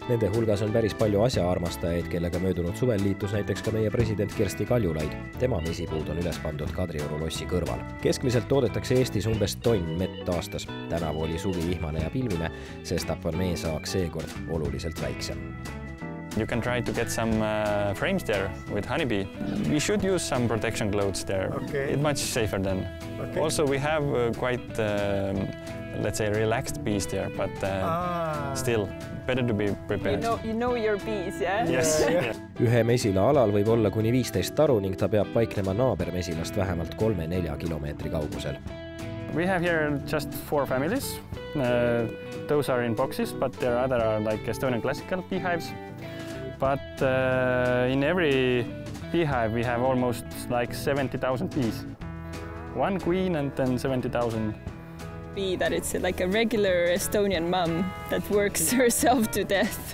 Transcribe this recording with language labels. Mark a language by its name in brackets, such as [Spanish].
[Estonian] Nende hulgas on päris palju asjaarmastajaid, kellega möödunud suvel liitus näiteks ka meie president Kersti Kaljulaid. Tema mesipuud on üles pandud Kadrioru lossi kõrval. Keskmiselt toodetakse Eestis umbes tonn mett aastas. Tänavu oli suvi ihmane ja pilvine, sest on mee saaks seekord oluliselt väiksem. [English] You can try to get some frames there with honeybee. We should use some protection clothes there. Okay. It's much safer then. Okay. Also, we have quite, let's say, relaxed bees there, but still, better to be prepared. You know your bees, yeah? Yes. [Estonian] Ühe mesila alal võib olla kuni 15 taru ning ta peab paiknema naaber mesilast vähemalt 3-4 kilomeetri kaugusel. [English] We have here just 4 families. Those are in boxes, but there other are like Estonian classical beehives. But in every beehive we have almost like 70,000 bees. One queen and then 70,000. Bee, that it's like a regular Estonian mom that works herself to death.